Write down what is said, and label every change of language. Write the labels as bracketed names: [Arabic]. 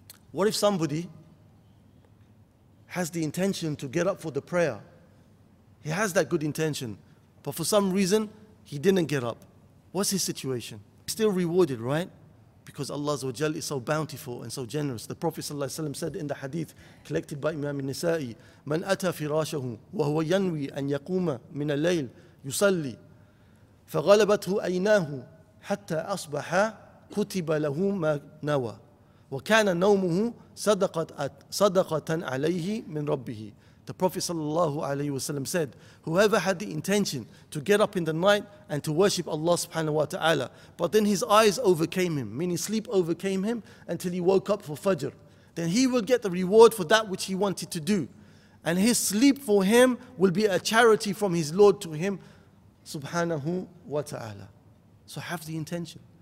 [English] What if somebody has the intention to get up for the prayer? He has that good intention, but for some reason he didn't get up. What's his situation? He's still rewarded, right? Because Allah is so bountiful and so generous. The Prophet ﷺ said in the hadith collected by Imam Nisa'i, [Arabic] من أتى فراشه وهو ينوي أن يقوم من الليل يصلي فغلبته أيناه حتى أصبح كتب له ما نوى وكان نومه صدقة عليه من ربه. [English] The Prophet ﷺ said, whoever had the intention to get up in the night and to worship Allah subhanahu wa ta'ala, but then his eyes overcame him, meaning sleep overcame him until he woke up for Fajr, then he will get the reward for that which he wanted to do. And his sleep for him will be a charity from his Lord to him subhanahu wa ta'ala. So have the intention.